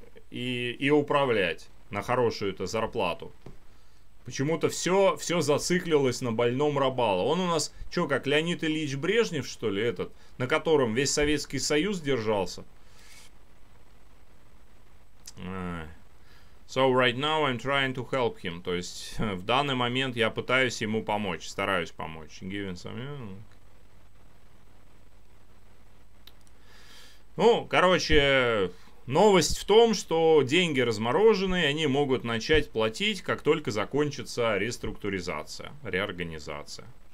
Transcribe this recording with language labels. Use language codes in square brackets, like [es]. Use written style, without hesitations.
[ru] И управлять на хорошую-то зарплату. Почему-то все зациклилось на больном Рабало. Он у нас, что, как Леонид Ильич Брежнев, что ли, этот, на котором весь Советский Союз держался? [en] So right now I'm trying to help him. [ru] То есть в данный момент я пытаюсь ему помочь, стараюсь помочь. [en] Giving some... [ru] Ну, короче... Новость в том, что деньги разморожены, и они могут начать платить, как только закончится реструктуризация, реорганизация.